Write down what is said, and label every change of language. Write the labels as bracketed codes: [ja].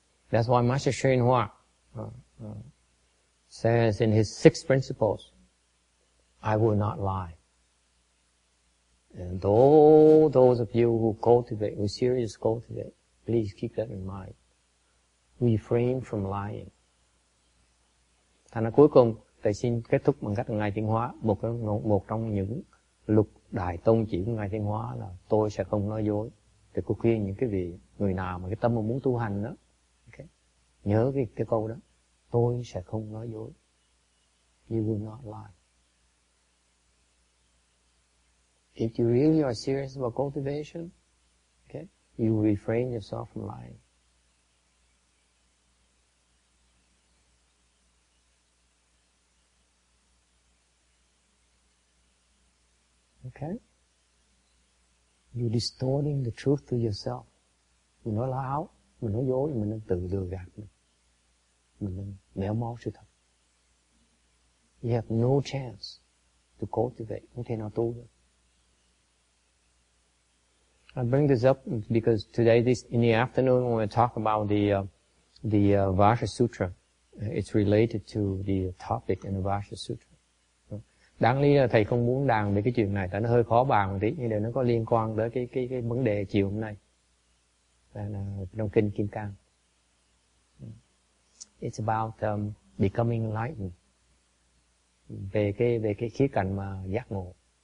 [en] That's why Master Shenhua says in his six principles, I will not lie. And all those of you who cultivate, who serious cultivate, please keep that in mind. Refrain from lying. [vi] Thành ra cuối cùng, thầy xin kết thúc bằng cách Ngài Thiện Hóa, một trong những lục đại tôn chỉ của Ngài Thiện Hóa là tôi sẽ không nói dối. Thì cô khuyên những cái vị người nào mà cái tâm muốn tu hành đó, okay, nhớ cái câu đó, tôi sẽ không nói dối. [en] You will not lie. If you really are serious about cultivation, okay, you will refrain yourself from lying. Okay? You're distorting the truth to yourself. [vi] Mình nói láo, mình nói dối, mình đang tự lừa gạt mình. Mình đang méo mó sự thật. [en] You have no chance to cultivate. [vi] Không thể nào tu được. [en] I bring this up because today, this in the afternoon, when we talk about the Vajra Sutra, it's related to the topic in the Vajra Sutra. [vi] Đáng lý là thầy không muốn đàn về cái chuyện này, tại nó hơi khó bàn một tí, nhưng mà nó có liên quan tới cái vấn đề chiều hôm nay, trong kinh Kim Cang. [en] It's about becoming enlightened, [vi] về cái khía cạnh mà giác ngộ.